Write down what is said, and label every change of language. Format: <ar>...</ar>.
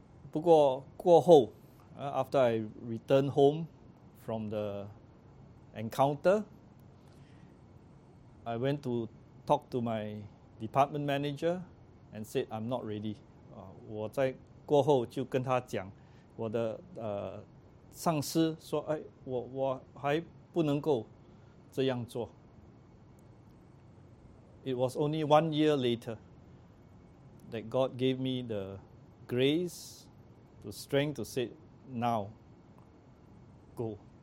<zh>不过过后,</zh> <en>after I returned home from the encounter, I went to talked to my department manager and said I'm not ready.</en> <zh>我在过后就跟他讲，我的上司说，哎，我还不能够这样做。</zh> <en>It was only 1 year later that God gave me the grace, the strength to say now go.</en>